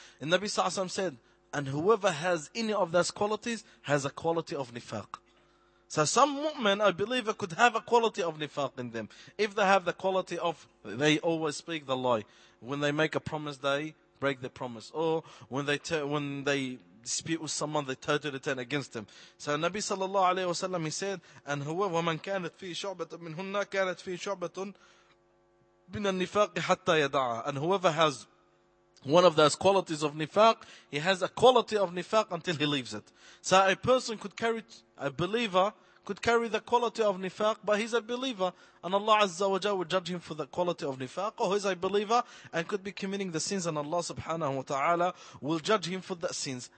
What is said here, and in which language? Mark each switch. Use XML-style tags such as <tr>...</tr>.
<en>And Nabi Sallallahu Alaihi Wasallam said, and whoever has any of those qualities has a quality of nifaq. So some mu'min, a believer, could have a quality of nifaq in them. If they have the quality of, they always speak the lie. When they make a promise, they break the promise. Or when they dispute with someone, they totally turn against him. So Nabi sallallahu alayhi wa sallam, he said, and whoever,</en> <ar>وَمَنْ كَانَتْ فِي شُعْبَةٌ مِنْهُنَّا كَانَتْ فِي شُعْبَةٌ مِنَ النِّفَاقِ حَتَّى يَدَعَى.</ar> <en>And whoever has one of those qualities of nifaq, he has a quality of nifaq until he leaves it. So a believer could carry the quality of nifaq, but he's a believer. And Allah Azza wa Jalla will judge him for the quality of nifaq, or who is a believer and could be committing the sins, and Allah subhanahu wa ta'ala will judge him for the sins.</en>